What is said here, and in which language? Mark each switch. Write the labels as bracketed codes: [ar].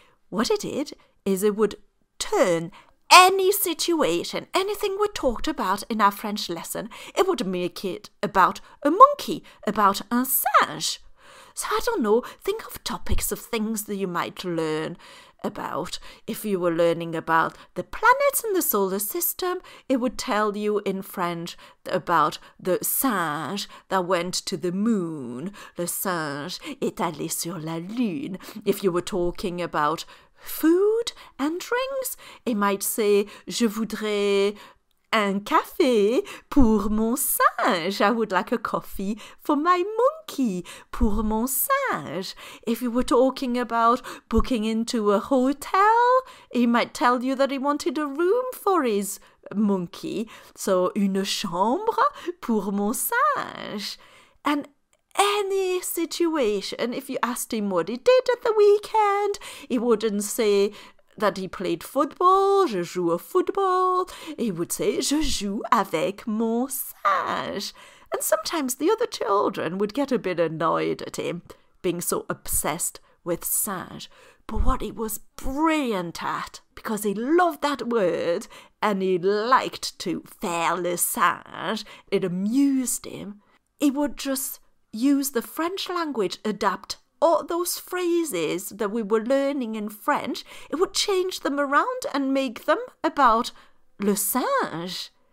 [en] What he did is it would turn any situation, anything we talked about in our French lesson, it would make it about a monkey, about un singe. So I don't know, think of topics of things that you might learn about. If you were learning about the planets and the solar system, it would tell you in French about the singe that went to the moon. [fr] Le singe est allé sur la lune. [en] If you were talking about food and drinks, it might say, [fr] je voudrais un café pour mon singe. [en] I would like a coffee for my monkey, [fr] pour mon singe. [en] If you were talking about booking into a hotel, he might tell you that he wanted a room for his monkey. [fr] So, une chambre pour mon singe. [en] And any situation, if you asked him what he did at the weekend, he wouldn't say that he played football, [fr] je joue au football. [en] He would say, [fr] je joue avec mon singe. [en] And sometimes the other children would get a bit annoyed at him being so obsessed with singe. But what he was brilliant at, because he loved that word and he liked to [fr] faire le singe, [en] it amused him, he would just use the French language, adapt all those phrases that we were learning in French, it would change them around and make them about le singe.